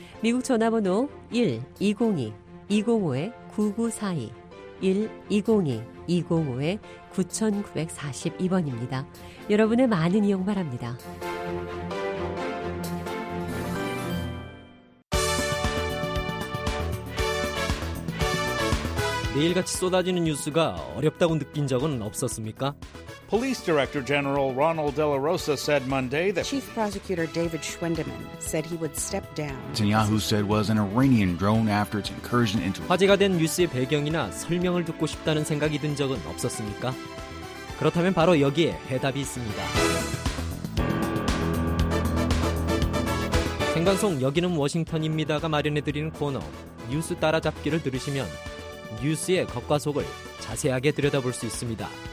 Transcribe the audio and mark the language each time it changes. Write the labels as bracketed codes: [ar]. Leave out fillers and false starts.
[ko] 미국 전화번호 1-202-205-9942, 1-202-205-9942번입니다. 여러분의 많은 이용 바랍니다. 매일같이 쏟아지는 뉴스가 어렵다고 느낀 적은 없었습니까? [en] Police Director General Ronald De La Rosa said Monday that Chief Prosecutor David Schwendeman said he would step down. Netanyahu said was an Iranian drone after its incursion into [ko] 화제가 된 뉴스의 배경이나 설명을 듣고 싶다는 생각이 든 적은 없었습니까? 그렇다면 바로 여기에 해답이 있습니다. 생방송 여기는 워싱턴입니다가 마련해드리는 코너 뉴스 따라잡기를 들으시면 뉴스의 겉과 속을 자세하게 들여다볼 수 있습니다.